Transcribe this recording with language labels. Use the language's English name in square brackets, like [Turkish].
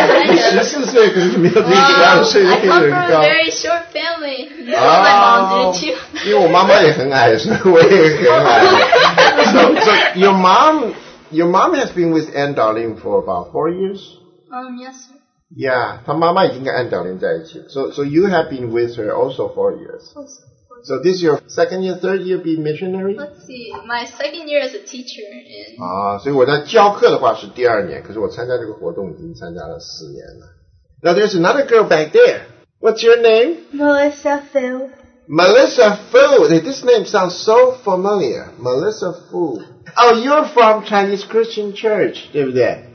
[Chinese] 你十四岁可是没有比你十二岁的人高。 [English] I come from a very short family. My mom did too. [Chinese] 因为我妈妈也很矮，所以我也很矮。 [English] So your mom has been with Anne Darling for about 4 years. Yes. [Chinese] Yeah, 她妈妈已经跟 Anne Darling 在一起。 [English] So you have been with her also 4 years. So this is your second year, third year being missionary? Let's see, my second year as a teacher. [Chinese] So 我在教课的话是第二年，可是我参加这个活动已经参加了四年了。 [English] Now there's another girl back there. What's your name? Melissa Fu. Melissa Fu. This name sounds so familiar. Melissa Fu. Oh, you're from Chinese Christian Church, [Chinese] 对不对？